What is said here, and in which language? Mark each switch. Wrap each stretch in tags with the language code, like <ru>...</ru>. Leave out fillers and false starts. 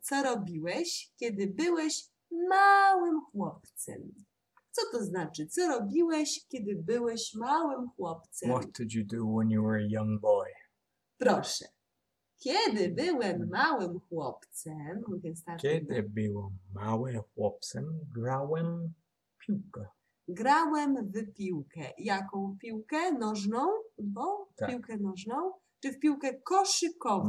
<pl>Co robiłeś, kiedy byłeś małym chłopcem? Co to znaczy? Co robiłeś, kiedy byłeś małym chłopcem?</pl> <en>What did you do when you were a young boy?</en> <pl>Proszę. Kiedy byłem małym chłopcem, kiedy byłem małym chłopcem, grałem piłkę. Grałem w piłkę. Jaką piłkę? Nożną? Bo tak. Piłkę nożną? Czy w piłkę koszykową?</pl>